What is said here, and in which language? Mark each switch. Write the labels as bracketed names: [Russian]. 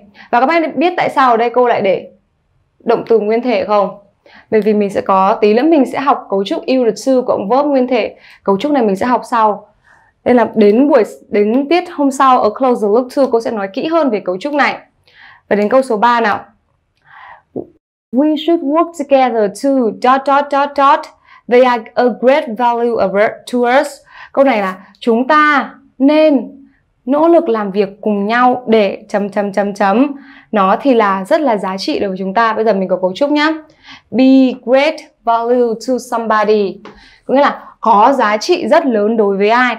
[Vietnamese] Và các bạn biết tại sao ở đây cô lại để động từ nguyên thể không? Bởi vì mình sẽ có tí nữa mình sẽ học cấu trúc yêu luật sư cộng verb nguyên thể. Cấu trúc này mình sẽ học sau. Nên là đến tiết hôm sau ở Close the Loop 2 cô sẽ nói kỹ hơn về cấu trúc này. Và đến câu số 3 nào. [English] We should work together to dot dot dot dot. They are a great value to us. [Vietnamese] Câu này là chúng ta nên nỗ lực làm việc cùng nhau để chấm chấm chấm chấm. Nó thì là rất là giá trị đối với chúng ta. Bây giờ mình có cấu trúc nhá. [English] Be great value to somebody. [Vietnamese] Có nghĩa là có giá trị rất lớn đối với ai.